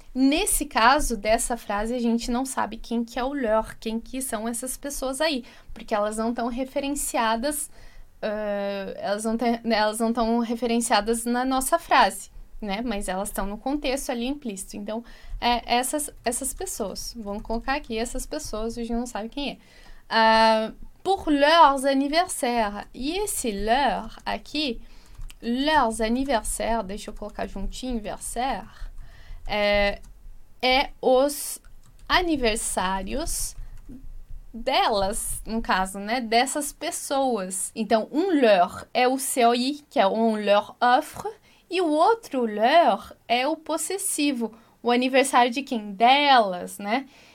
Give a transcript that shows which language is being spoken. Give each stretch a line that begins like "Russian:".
Portuguese: Nesse caso, dessa frase, a gente não sabe quem que é o leur, quem que são essas pessoas aí, porque elas não estão referenciadas, elas não estão referenciadas na nossa frase, né? Mas elas estão no contexto ali implícito. Então, essas pessoas. Vamos colocar aqui essas pessoas, a gente não sabe quem é.
French: Pour leurs anniversaires.
Portuguese: E esse leur aqui, leurs anniversaires, deixa eu colocar juntinho, anniversaire, é os aniversários delas, no caso, né? Dessas pessoas. Então, um leur é o COI, que é
French: on leur offre,
Portuguese: e o outro leur é o possessivo, o aniversário de quem? Delas, né?